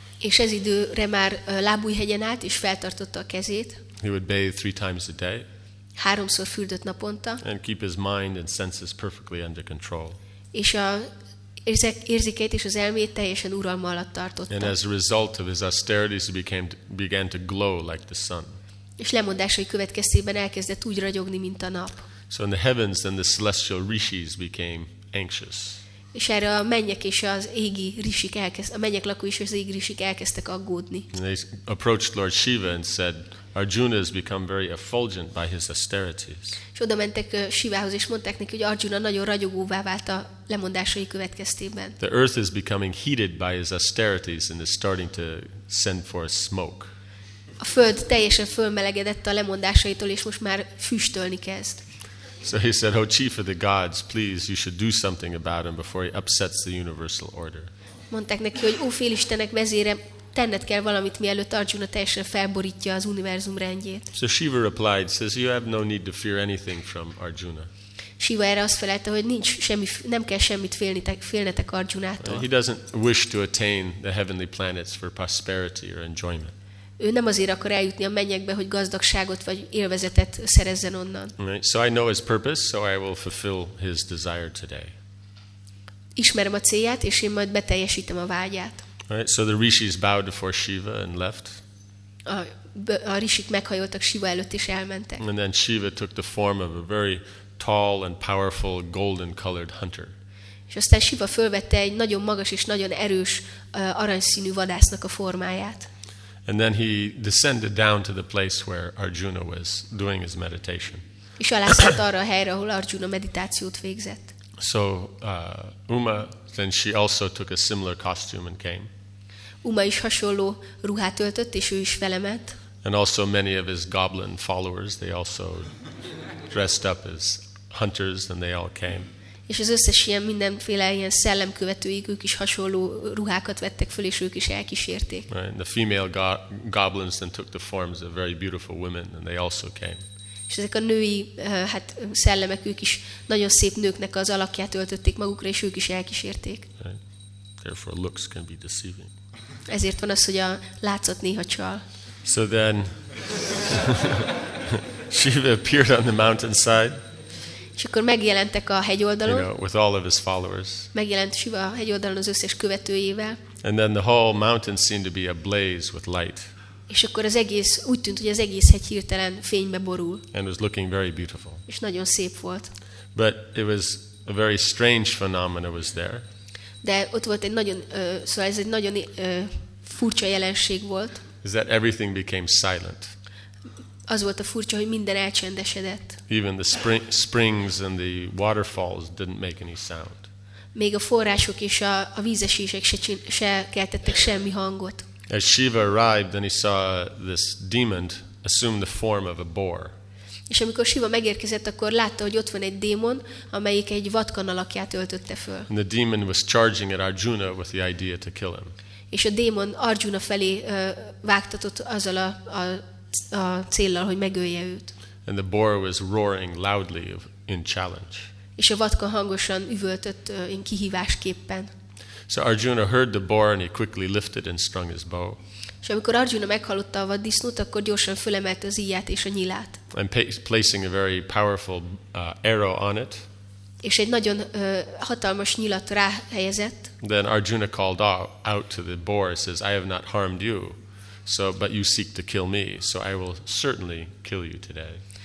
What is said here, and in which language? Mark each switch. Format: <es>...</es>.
<hu>És ez időre már lábújhegyen állt és feltartotta a kezét.</hu> <en>He would bathe 3 times a day.</en> <hu>Háromszor fürdött naponta.</hu> <en>And keep his mind and senses perfectly under control.</en> <hu>És az érzékeit és az elmét teljesen uralma alatt tartotta.</hu> <en>And as a result of his austerities, he began to glow like the sun.</en> <hu>És lemondásai következtében elkezdett úgy ragyogni, mint a nap.</hu> <en>So in the heavens, then the celestial rishis became anxious.</en> <hu>És erre a mennyek és az égi rishik a mennyek lakói és az égi rishik elkezdtek aggódni.</hu> <en>And they approached Lord Shiva and said, "Arjuna has become very effulgent by his austerities."</en> <hu>És oda mentek Shivához és mondták neki, hogy Arjuna nagyon ragyogóvá vált a lemondásai következtében.</hu> <en>The earth is becoming heated by his austerities and is starting to send forth smoke.</en> <hu>A föld teljesen fölmelegedett a lemondásaitól és most már füstölni kezd.</hu> <en>So he said, "Oh chief of the gods, please, you should do something about him before he upsets the universal order."</en> <hu>Mondták neki, hogy ó félistenek vezére, tenned kell valamit, mielőtt Arjuna teljesen felborítja az univerzum rendjét.</hu> <en>So Shiva replied, says you have no need to fear anything from Arjuna.</en> <hu>Shiva erre azt felelte, hogy nincs semmi, nem kell semmit félnetek Arjunától.</hu> <en>He doesn't wish to attain the heavenly planets for prosperity or enjoyment.</en> <hu>Ő nem azért akar eljutni a mennyekbe, hogy gazdagságot vagy élvezetet szerezzen onnan.</hu> <en>Right. So I know his purpose, so I will fulfill his desire today.</en> <hu>Ismerem a célját, és én majd beteljesítem a vágyát.</hu> <en>Right. So the rishis bowed before Shiva and left.</en> <hu>A rishik meghajoltak Shiva előtt és elmentek.</hu> <en>And then Shiva took the form of a very tall and powerful golden colored hunter.</en> <hu>És aztán Shiva fölvette egy nagyon magas és nagyon erős aranyszínű vadásznak a formáját.</hu> <en>And then he descended down to the place where Arjuna was doing his meditation.</en> <hu>És alászott arra a helyre, ahol Arjuna meditációt végzett.</hu> <en>So Uma, then she also took a similar costume and came.</en> <hu>Uma is hasonló ruhát öltött, és ő is felemelt.</hu> <en>And also many of his goblin followers, they also dressed up as hunters, and they all came.</en> <hu>És az összes ilyen mindenféle ilyen szellemkövetőik, ők is hasonló ruhákat vettek föl, és ők is elkísérték.</hu> <en>Right. And the female goblins then took the forms of very beautiful women, and they also came.</en> <hu>És ezek a női hát szellemek, ők is nagyon szép nőknek az alakját öltötték magukra, és ők is elkísérték.</hu> <en>Right. Therefore looks can be deceiving.</en> <hu>Ezért van az, hogy a látszat néha csal.</hu> <en>So then Shiva appeared on the mountainside.</en> <hu>És akkor megjelentek a hegyoldalon.</hu> <en>You know, with all of his followers.</en> <hu>Megjelent Shiva a hegyoldalon az összes követőjével.</hu> <en>And then the whole mountain seemed to be ablaze with light.</en> <hu>És akkor az egész úgy tűnt, hogy az egész hegy hirtelen fénybe borul.</hu> <en>And was looking very beautiful.</en> <hu>És nagyon szép volt.</hu> <en>But it was a very strange phenomenon was there.</en> <hu>De ott volt egy nagyon szóval ez egy nagyon furcsa jelenség volt.</hu> <en>Is that everything became silent.</en> <hu>Az volt a furcsa, hogy minden elcsendesedett.</hu> <en>Even the springs and the waterfalls didn't make any sound.</en> <hu>Még a források és a vízesések se keltettek semmi hangot.</hu> <en>As Shiva arrived, then he saw this demon assume the form of a boar.</en> <hu>És amikor Shiva megérkezett, akkor látta, hogy ott van egy démon, amelyik egy vatkan alakját öltötte föl.</hu> <en>And the demon was charging at Arjuna with the idea to kill him.</en> <hu>És a démon Arjuna felé vágtatott azzal a céllal, hogy megölje őt.</hu> <en>And the boar was roaring loudly in challenge.</en> <hu>És a vatka hangosan üvöltött in kihívásképpen.</hu> <en>So Arjuna heard the boar and he quickly lifted and strung his bow.</en> <hu>És amikor Arjuna meghallotta a vaddisznót, akkor gyorsan fölemelte az íját és a nyilát.</hu> <en>And placing a very powerful arrow on it.</en> <hu>És egy nagyon hatalmas nyilat ráhelyezett.</hu> <en>Then Arjuna called out to the boar and says, I have not harmed you. So, but you seek to kill me, so I will certainly kill you today.</en>